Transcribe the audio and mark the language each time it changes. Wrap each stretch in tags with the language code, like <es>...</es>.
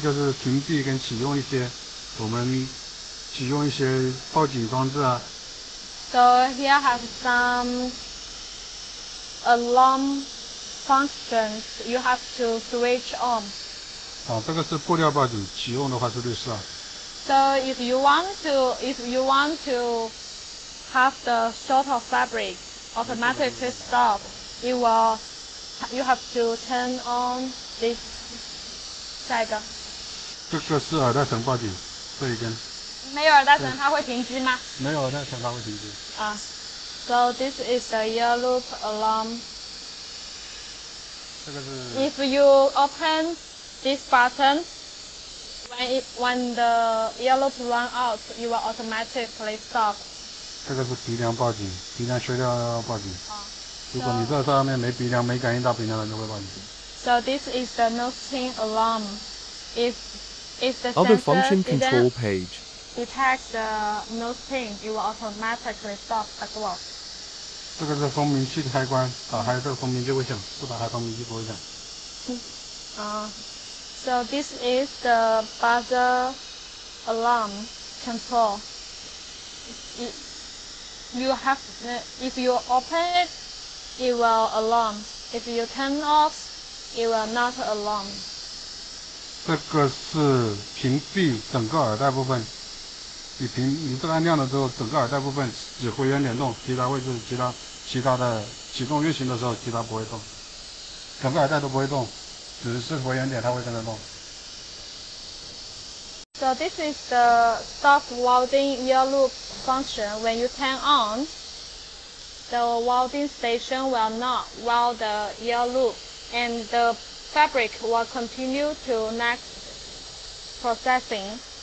<zh>就是屏蔽跟启用一些我们启用一些报警装置啊。</zh> <en>So here has some alarm. Functions you have to switch on.</en> <zh>这个是布料报警，启用的话是绿色。</zh> <en>So if you want to have the sort of fabric automatically stop, you have to turn on this.</en> <zh>下一个。这个是耳带绳报警，这一根。没有耳带绳，它会停机吗？没有耳带绳，它会停机。</zh> <en>So this is the ear loop alarm. If you open this button, when the ear loop run out, you will automatically stop.</en> <zh>这个是鼻梁报警，鼻梁缺掉要报警。如果你这上面没鼻梁，没感应到鼻梁，就会报警。</zh> <en>So this is the nose pin alarm. If the other function control page detects the nose pin, you will automatically stop as well.</en> <zh>这个是蜂鸣器的开关，打开这个蜂鸣器会响，不打开蜂鸣器不会响。</zh> <en>So this is the buzzer alarm control. If you open it, it will alarm. If you turn off, it will not alarm.</en> <zh>这个是屏蔽整个耳带部分。你这个按亮了之后，整个耳带部分指挥员联动，其他位置其他的启动运行的时候，其他不会动，整个耳带都不会动，只是回原点它会跟着动。</zh> <en>So this is the stop welding ear loop function. When you turn on, the welding station will not weld the ear loop, and the fabric will continue to next processing.</en>